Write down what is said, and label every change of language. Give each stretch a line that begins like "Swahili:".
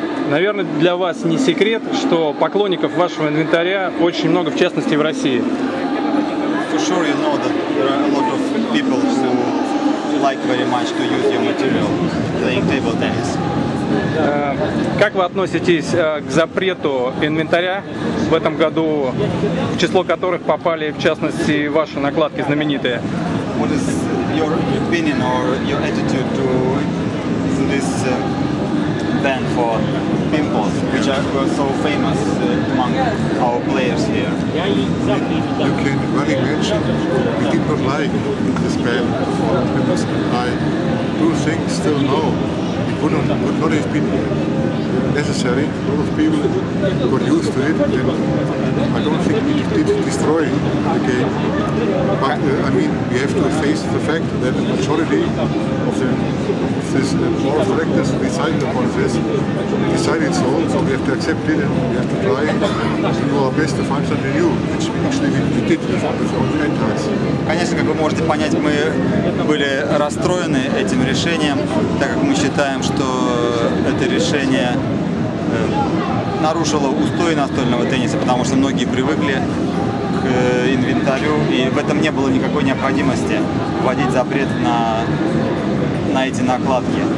Russian: Наверное, для вас не секрет, что поклонников вашего инвентаря очень много, в частности, в России.
English: For sure you know that there are a lot of people who like very much to use your material playing table tennis.
Russian: Как вы относитесь к запрету инвентаря в этом году, в число которых попали, в частности, ваши накладки знаменитые?
English: What is your opinion or your attitude to this ban for pimples, which are so famous among our players here? You can really mention, we did not like this ban for pimples. I do think still now it would not have been necessary. A lot of people got used to it, and I don't think it did destroy the game. But I mean, we have to face the fact that the majority of the board of directors decided upon this, decided so, so we have to accept it and we have to try to do our best to find something new, which actually we did before the entire season.
Russian: Конечно, как вы можете понять, мы были расстроены этим решением, так как мы считаем, что это решение нарушило устои настольного тенниса, потому что многие привыкли к инвентарю, и в этом не было никакой необходимости вводить запрет на эти накладки.